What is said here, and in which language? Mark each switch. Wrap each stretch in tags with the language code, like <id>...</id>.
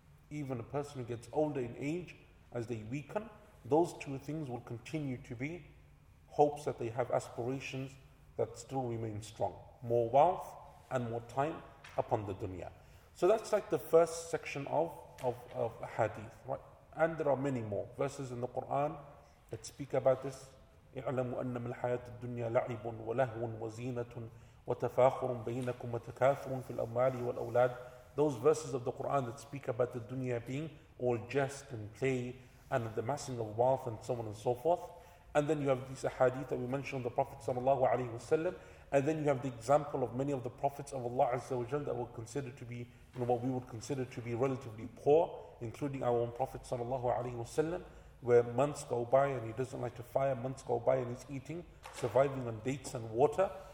<en>Even a person who gets older in age, as they weaken, those two things will continue to be hopes that they have, aspirations that still remain strong. More wealth and more time upon the dunya. So that's like the first section of a hadith, right? And there are many more verses in the Quran that speak about this.</en> <ar>اعلموا أن من الحياة الدنيا لعب ولهو وزينة وتفاخر بينكم وتكاثر في الأموال والأولاد.</ar> <en>Those verses of the Quran that speak about the dunya being all jest and play and the amassing of wealth and so on and so forth. And then you have these hadith that we mentioned of the Prophet sallallahu alayhi wasallam. And then you have the example of many of the prophets of Allah azza wa jalla that were considered to be, you know, what we would consider to be relatively poor, including our own Prophet sallallahu alayhi wasallam, where months go by and he doesn't light a fire, months go by and he's eating, surviving on dates and water.</en>